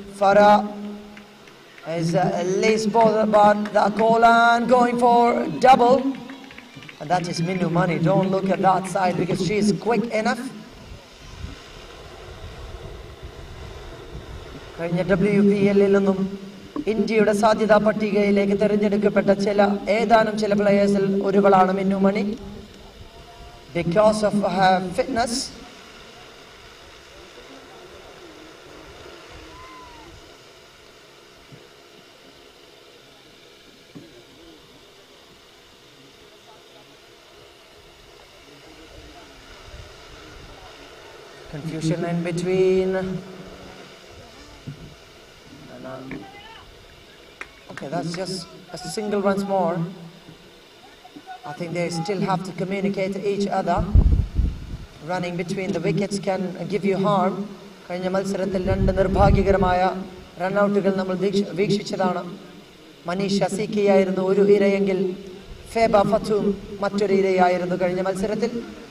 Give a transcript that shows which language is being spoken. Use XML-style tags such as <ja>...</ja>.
<en>Farah is least bothered about the call and going for double. And that is Minu Mani. Don't look at that side because she is quick enough.</en> <ml>കഴിഞ്ഞ WPL-ൽ നിന്നും ഇന്ത്യയുടെ സാധ്യതാ പട്ടികയിലേക്ക് തിരഞ്ഞെടുക്കപ്പെട്ട ചില പ്ലെയേഴ്സിൽ ഒരുവളാണ് മിന്നു മണി.</ml> <en>Because of her fitness confusion in between. Okay, that's just a single runs more. I think they still have to communicate to each other. Running between the wickets can give you harm.</en> <ml>കഴിഞ്ഞ മത്സരത്തിൽ രണ്ട് നിർഭാഗ്യകരമായ run ഔട്ടുകൾ നമ്മൾ വീക്ഷിച്ചതാണ്. മനീഷ് അസീക്കിയായിരുന്നു ഒരു ഇരയെങ്കിൽ ഫേബ ഫത്തും മറ്റൊരു ഇരയായിരുന്നു കഴിഞ്ഞ മത്സരത്തിൽ.</ml>